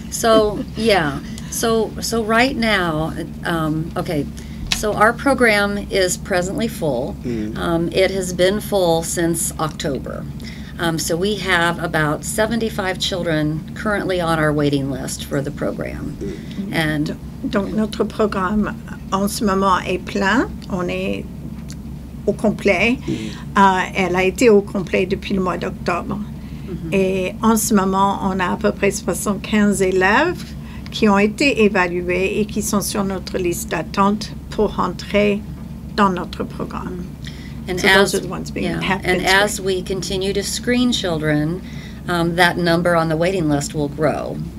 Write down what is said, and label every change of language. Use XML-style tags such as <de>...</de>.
<en>So yeah. So right now, okay. So our program is presently full. Mm-hmm. It has been full since October. So we have about 75 children currently on our waiting list for the program. Mm-hmm. And</en> <fr>donc notre programme en ce moment est plein. On est au complet. Mm-hmm. Elle a été au complet depuis le mois d'octobre. Mm-hmm. Et en ce moment, on a à peu près 75 élèves qui ont été évalués et qui sont sur notre liste d'attente pour rentrer dans notre programme.</fr> <en>And so as, those are the ones being yeah, and as we continue to screen children, that number on the waiting list will grow.</en>